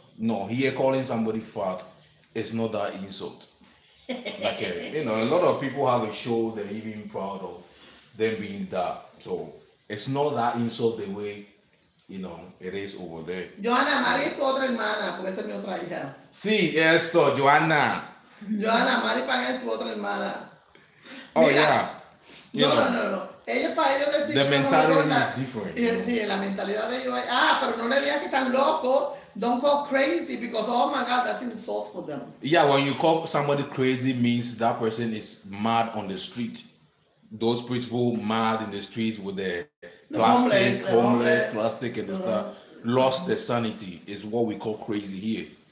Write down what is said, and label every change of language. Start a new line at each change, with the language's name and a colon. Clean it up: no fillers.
English: No, here calling somebody fat is not that insult. Like, a lot of people have a show they're even proud of them being that. So it's not that insult the way, it is over there.
Spanish: Joanna, Mari es tu otra hermana, porque esa es mi otra hija. Sí, eso, Joanna. Joanna, Mari Pagan es tu otra hermana.
English: Oh, mira, yeah.
Spanish: No. Ellos para ellos decir
English: the mentality no is different.
Spanish: Y, sí, la mentalidad de ellos es, pero no le digas que están locos.
English: Don't go crazy because, oh my God, that's insult for them. Yeah, when you call somebody crazy, means that person is mad on the street. Those people mad in the street with the plastic and the stuff, lost their sanity, is what we call crazy here.